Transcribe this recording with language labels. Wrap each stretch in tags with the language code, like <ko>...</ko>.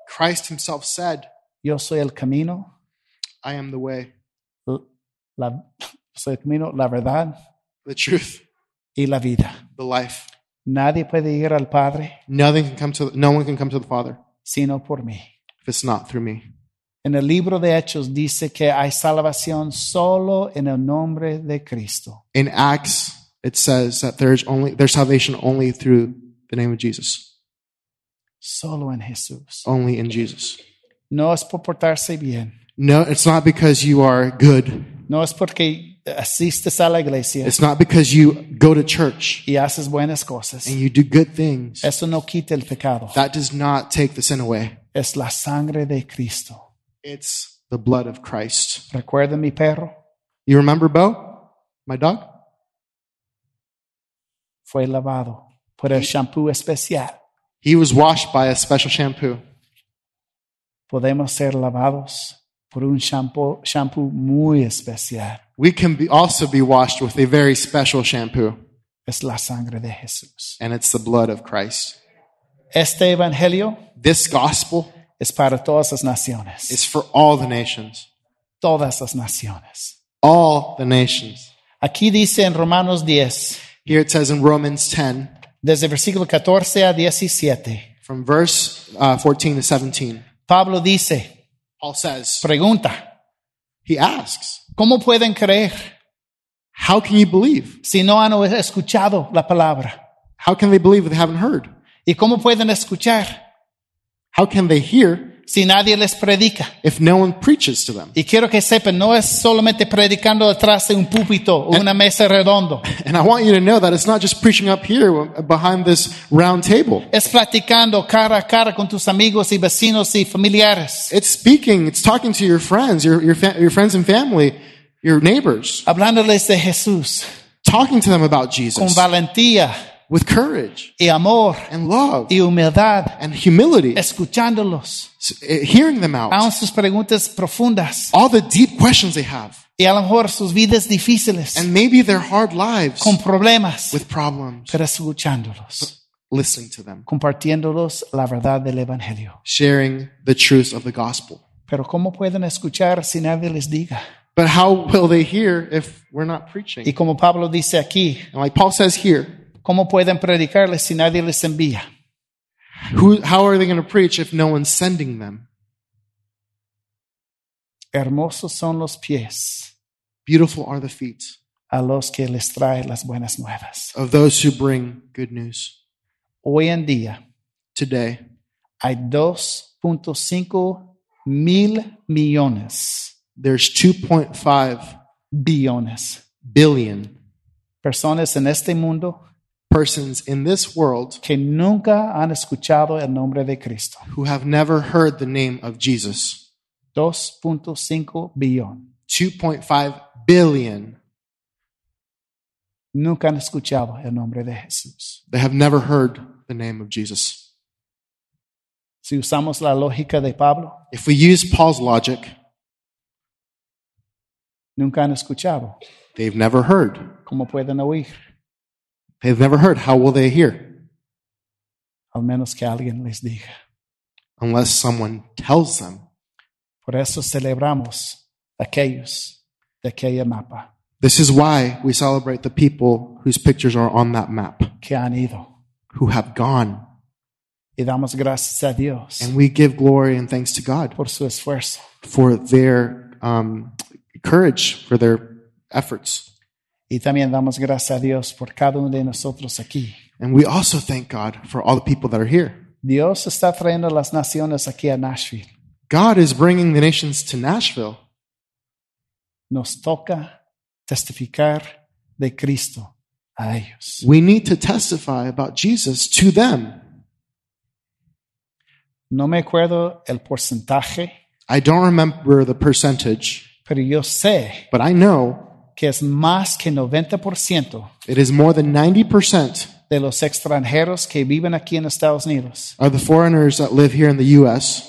<en>Christ himself said.</en> <es>Yo soy el camino.</es> <en>I am the way.</en> <es>Soy el camino, la verdad.</es> <en>The truth.</en> <es>Y la vida.</es> <en>The life.</en> <es>Nadie puede ir al Padre.</es> <en>Nothing can come to the, no one can come to the Father.</en> <es>Sino por mí.</es> <en>If it's not through me.</en> <es>En el libro de Hechos dice que hay salvación solo en el nombre de Cristo.</es> <en>In Acts, it says that there's salvation only through the name of Jesus.</en> <es>Solo en Jesús.</es> <en>Only in Jesus.</en> <es>No es por portarse bien.</es> <en>No, it's not because you are good.</en> <es>No es porque asistes a la iglesia.</es> <en>It's not because you go to church.</en> <es>Y haces buenas cosas.</es> <en>And you do good things.</en> <es>Eso no quita el pecado.</es> <en>That does not take the sin away.</en> <es>Es la sangre de Cristo.</es> <en>It's the blood of Christ.</en> <es>¿Recuerda mi perro?</es> <en>You remember Bo? My dog?</en> <es>Fue lavado por el shampoo especial.</es> <en>He was washed by a special shampoo.</en> <es>Podemos ser lavados por un shampoo muy especial.</es> <en>We can also be washed with a very special shampoo.</en> <es>Es la sangre de Jesús.</es> <en>And it's the blood of Christ.</en> <es>Este evangelio,</es> <en>this gospel,</en> <es>es para todas las naciones.</es> <en>Is for all the nations.</en> <es>Todas las naciones.</es> <en>All the nations.</en> <es>Aquí dice en Romanos 10.</es> <en>Here it says in Romans 10.</en> <es>Desde versículo 14 a 17.</es> <en>From verse 14 to 17.</en> <es>Pablo dice.</es> <en>Paul says.</en> <es>Pregunta.</es> <en>He asks.</en> <es>¿Cómo pueden creer?</es> <en>How can you believe?</en> <es>Si no han escuchado la palabra.</es> <en>How can they believe if they haven't heard?</en> <es>¿Y cómo pueden escuchar?</es> <en>How can they hear?</en> <es>Si nadie les predica.</es> <en>If no one preaches to them.</en> <es>Y quiero que sepan, no es solamente predicando detrás de un púlpito o una mesa redondo.</es> <en>And I want you to know that it's not just preaching up here behind this round table.</en> <es>Es platicando cara a cara con tus amigos y vecinos y familiares.</es> <en>It's speaking, it's talking to your friends, your friends and family, your neighbors.</en> <es>Hablándoles de Jesús.</es> <en>Talking to them about Jesus.</en> <es>Con valentía.</es> <en>With courage</en> <es>y amor,</es> <en>and love</en> <es>y humildad,</es> <en>and humility,</en> <es>escuchándolos,</es> <en>hearing them out,</en> <es>aun sus preguntas profundas,</es> <en>all the deep questions they have,</en> <es>y a lo mejor sus vidas difíciles,</es> <en>and maybe their hard lives,</en> <es>con problemas,</es> <en>with problems,</en> <es>pero escuchándolos,</es> <en>listening to them,</en> <es>compartiéndolos la verdad del evangelio,</es> <en>sharing the truth of the gospel.</en> <es>Pero cómo pueden escuchar si nadie les diga.</es> <en>But how will they hear if we're not preaching?</en> <es>Y como Pablo dice aquí,</es> <en>and like Paul says here,</en> <es>¿cómo pueden predicarles si nadie les envía?</es> <en>How are they going to preach if no one's sending them?</en> <es>Hermosos son los pies.</es> <en>Beautiful are the feet.</en> <es>A los que les trae las buenas nuevas.</es> <en>Of those who bring good news.</en> <es>Hoy en día.</es> <en>Today.</en> <es>Hay 2.5 mil millones.</es> <en>There's 2.5</en> <es>billones.</es> <en>Billion.</en> <es>Personas en este mundo.</es> <en>Persons in this world</en> <es>que nunca han escuchado el nombre de Cristo,</es> <en>who have never heard the name of Jesus. 2.5 billion.</en> <es>Nunca han escuchado el nombre de Jesús.</es> <en>They have never heard the name of Jesus.</en> <es>Si usamos la lógica de Pablo,</es> <en>if we use Paul's logic,</en> <es>nunca han escuchado.</es> <en>They've never heard.</en> <es>¿Cómo pueden oír?</es> <en>They've never heard. How will they hear?</en> <es>Al menos que alguien les diga.</es> <en>Unless someone tells them.</en> <es>Por eso celebramos aquellos de aquella mapa.</es> <en>This is why we celebrate the people whose pictures are on that map.</en> <es>Que han ido.</es> <en>Who have gone.</en> <es>Y damos gracias a Dios.</es> <en>And we give glory and thanks to God.</en> <es>Por su esfuerzo.</es> <en>For their courage, for their efforts.</en> <es>Y también damos gracias a Dios por cada uno de nosotros aquí.</es> <en>And we also thank God for all the people that are here.</en> <es>Dios está trayendo las naciones aquí a Nashville.</es> <en>God is bringing the nations to Nashville.</en> <es>Nos toca testificar de Cristo a ellos.</es> <en>We need to testify about Jesus to them.</en> <es>No me acuerdo el porcentaje.</es> <en>I don't remember the percentage.</en> <es>Pero yo sé.</es> <en>But I know.</en> <es>Que es más que 90%.</es> <en>It is more than 90%</en> <es>de los extranjeros que viven aquí en Estados Unidos.</es> <en>Are the foreigners that live here in the U.S.</en>